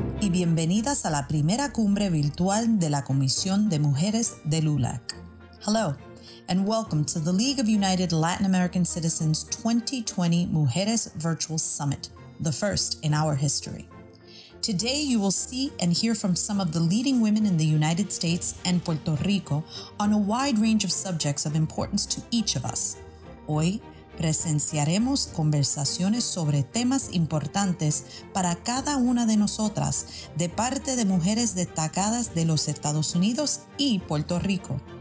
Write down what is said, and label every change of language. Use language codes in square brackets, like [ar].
[es] Bienvenidas a la primera cumbre virtual de la Comisión de Mujeres de LULAC. [en] Hello, and welcome to the League of United Latin American Citizens 2020 Mujeres Virtual Summit, the first in our history. Today, you will see and hear from some of the leading women in the United States and Puerto Rico on a wide range of subjects of importance to each of us. [es] Hoy, presenciaremos conversaciones sobre temas importantes para cada una de nosotras de parte de mujeres destacadas de los Estados Unidos y Puerto Rico.